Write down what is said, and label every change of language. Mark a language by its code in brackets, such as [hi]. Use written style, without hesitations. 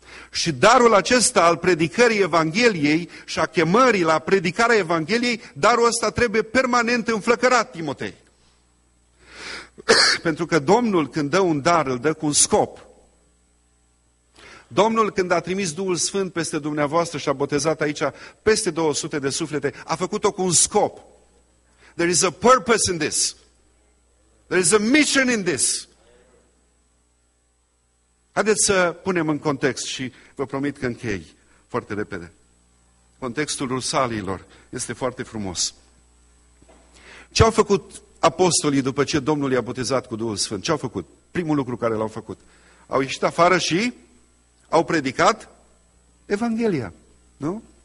[ro] Și darul acesta al predicării Evangheliei și a chemării la predicarea Evangheliei, darul ăsta trebuie permanent înflăcărat, Timotei. Pentru că Domnul când dă un dar, îl dă cu un scop. Domnul, când a trimis Duhul Sfânt peste dumneavoastră și a botezat aici peste 200 de suflete, a făcut-o cu un scop. [en] There is a purpose in this. There is a mission in this. [ro] Haideți să punem în context și vă promit că închei foarte repede. Contextul Rusaliilor este foarte frumos. Ce au făcut apostolii după ce Domnul i-a botezat cu Duhul Sfânt? Ce au făcut? Primul lucru care l-au făcut. Au ieșit afară și au predicat Evanghelia. Nu?